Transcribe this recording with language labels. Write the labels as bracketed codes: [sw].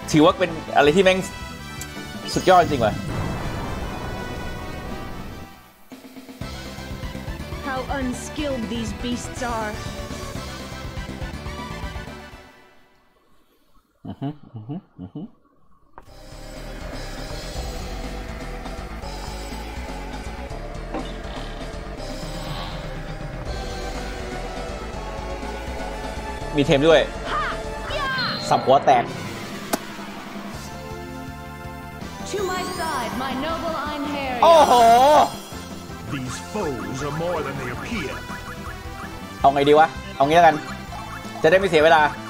[th] ถือว่าเป็นอะไรที่แม่งสุดยอดจริงว่ะ [en] Unskilled these beasts are. [th] มีเทมด้วยสับหัวแตก [en] To my side, my noble Einherjar. [th] โอ้โห [en] These foes are more than they appear. [th] เอาไงดีวะเอางี้แล้วกันจะได้ไม่เสียเวลา